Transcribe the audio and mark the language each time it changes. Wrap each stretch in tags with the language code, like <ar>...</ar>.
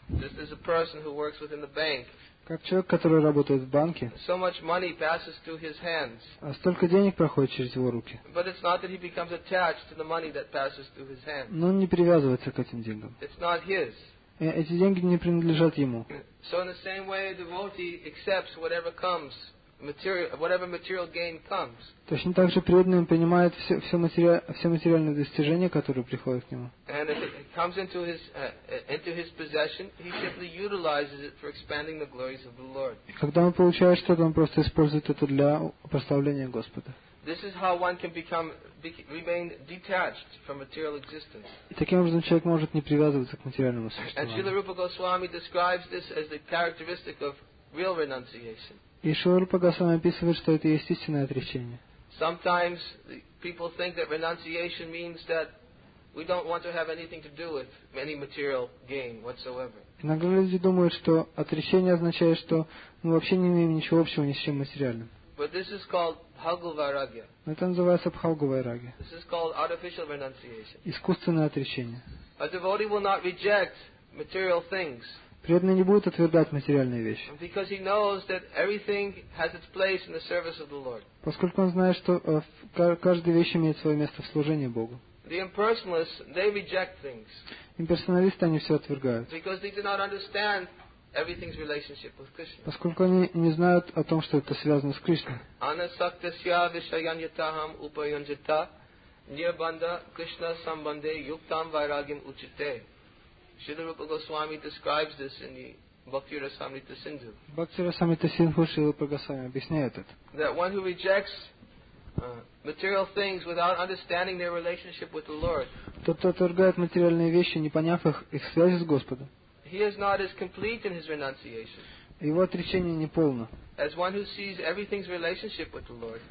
<en>Just as a person who works within the bank.</en> <ru>Как человек, который работает в банке.</ru> <en>So much money passes through his hands.</en> <ru>А столько денег проходит через его руки.</ru> <en>But it's not that he becomes attached to the money that passes through his hands.</en> <ru>Но он не привязывается к этим деньгам.</ru> <en>It's not his.</en> <ru>Эти деньги не принадлежат ему.</ru> <en>So in the same way, a devotee accepts whatever comes, whatever material gain comes.</en> <ru>Точно так же преданный он принимает все материальные достижения, которые приходят к нему.</ru> <en>And if it comes into his possession, he simply utilizes it for expanding the glories of the Lord.</en> <ru>Когда он получает что-то, он просто использует это для прославления Господа.</ru> <en>This is how one can remain detached from material existence.</en> <ru>И таким образом человек может не привязываться к материальному существованию.</ru> <en>And Srila Rupa Goswami describes this as the characteristic of real renunciation.</en> <ru>И Шрила Рупа Госвами описывает, что это есть истинное отречение.</ru> <en>Sometimes people think that renunciation means that we don't want to have anything to do with any material gain whatsoever.</en> <ru>Иногда люди думают, что отречение означает, что мы вообще не имеем ничего общего ни с чем материальным.</ru> <en>But this is called Bhagavairagya.</en> <ru>Это называется Бхагавайрагья.</ru> <en>This is called artificial renunciation.</en> <ru>Искусственное отречение.</ru> <en>A devotee will not reject material things.</en> <ru>Преданный не будет отвергать материальные вещи.</ru> <en>Because he knows that everything has its place in the service of the Lord.</en> <ru>Поскольку он знает, что каждая вещь имеет свое место в служении Богу.</ru> <en>The impersonalists, they reject things.</en> <ru>Имперсоналисты, они все отвергают.</ru> <en>Because they do not understand everything's relationship with Krishna.</en> <ru>Поскольку они не знают о том, что это связано с Кришной.</ru> <sa>Anasaktasya vishayanyataham upayanjita nirbanda Krishna sambande yuktam vairagyam uchite.</sa> <en>Srila Rupa Goswami describes this in the Bhakti Rasamrita Sindhu.</en> <ru>Bhakti Rasamrita Sindhu Srila Rupa Goswami объясняет это.</ru> <en>That one who rejects material things without understanding their relationship with the Lord.</en> <ru>Тот, кто отвергает материальные вещи, не поняв их связи с Господом.</ru> <en>He is not as complete in his renunciation.</en> <ru>Его отречение не полно.</ru> <en>As one who sees everything's relationship with the Lord.</en>